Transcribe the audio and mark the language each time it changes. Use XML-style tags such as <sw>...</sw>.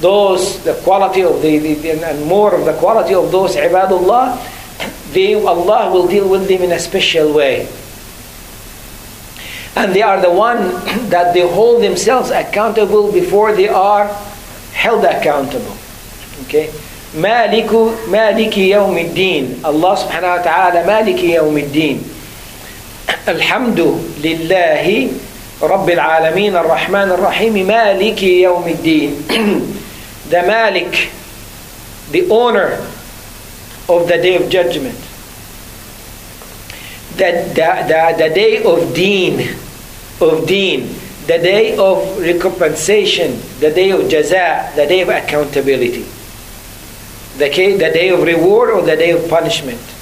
<en>Those, the quality of the, and more of the quality of those ibadullah, Allah will deal with them in a special way. And they are the one that they hold themselves accountable before they are held accountable.</en> <ar>Okay? مَالِكُ مَالِكِ يَوْمِ الدِّينِ. Allah subhanahu wa ta'ala, مَالِكِ يَوْمِ الدِّينِ. الْحَمْدُ لِلَّهِ رب العالمين الرحمن الرحيم مالك يوم الدين.</ar> <en>The Malik, the owner of the day of judgment, the day of deen, of deen, the day of recompensation, the day of jaza, the day of accountability, the day of reward or the day of punishment.</en>